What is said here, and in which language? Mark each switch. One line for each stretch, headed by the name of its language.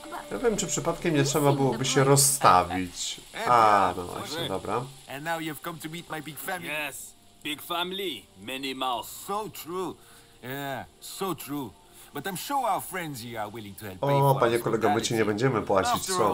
Polish: Ja wiem, czy przypadkiem nie trzeba byłoby się rozstawić. A, no właśnie, dobra.
English: And now you've come to meet my big family. Yes. Big family, many mouths. So true. Yeah, so true. But I'm sure our friends here are willing to help.
Polish: O, panie kolego, my ci nie będziemy płacić, co?